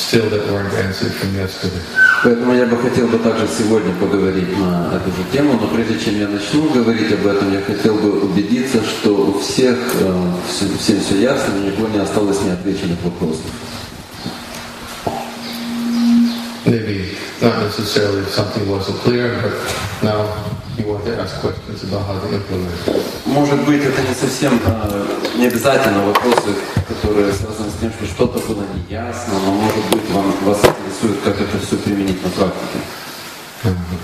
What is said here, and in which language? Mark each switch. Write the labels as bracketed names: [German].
[Russian] Поэтому я бы хотел бы также сегодня поговорить на эту же тему, но прежде чем я начну говорить об этом, я хотел бы убедиться, что у всех всем все ясно, у никого не осталось неотвеченных вопросов. [English] Maybe not necessarily something wasn't clear, but now you want to ask questions about how to implement. [Russian] Может быть, это не совсем не обязательно вопросы, которые связаны с тем, что что-то было неясно, но может быть вас интересует, как это все применить на практике.